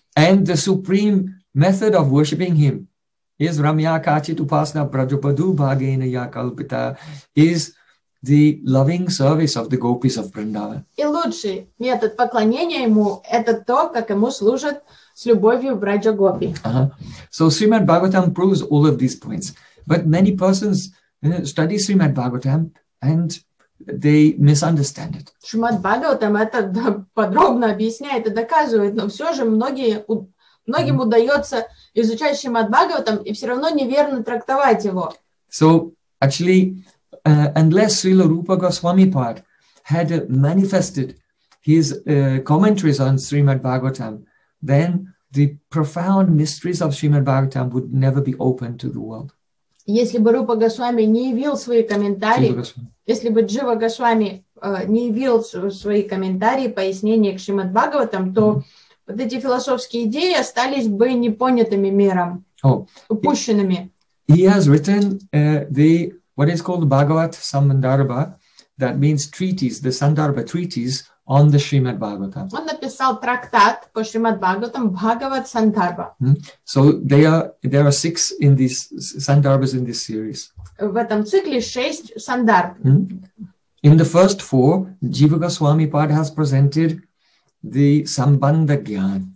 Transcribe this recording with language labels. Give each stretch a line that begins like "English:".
English: And the supreme method of worshipping him is
Sanskrit: Рамья Качит Упасна Браджападу Бхагена Я Калпита,
English: is the loving service of the gopis of Vrindavan.
Russian: И лучший метод поклонения ему — это то, как ему служат с любовью Браджа Гопи.
English: So Srimad Bhagavatam proves all of these points. But many persons study Srimad Bhagavatam and they misunderstand it.
Russian: Srimad Bhagavatam это подробно объясняет и доказывает, но все же многим удается изучать Srimad Bhagavatam и все равно неверно трактовать его.
English: So actually, unless Srila Rupa Goswami Pad had manifested his commentaries on Srimad Bhagavatam, then the profound mysteries of Srimad Bhagavatam would never be open to the world.
Russian: Если бы Рупа Госвами не явил свои комментарии, если бы Джива Госвами не явил свои комментарии, пояснения к Шримад Бхагаватам, то вот эти философские идеи остались бы непонятыми миром, упущенными.
English: He has written the what is called Bhagavat Sandarbha, that means treatise, the Sandarbha treatise on the Srimad Bhagavatam.
Russian: Он написал трактат по Шримад Бхагаватам, Бхагават Сандарбха.
English: So there are six in these Сандарбхас in this series.
Russian: В этом цикле шесть Сандарбх.
English: In the first four, Jiva Goswami Pad has presented the Sambandha Gyan.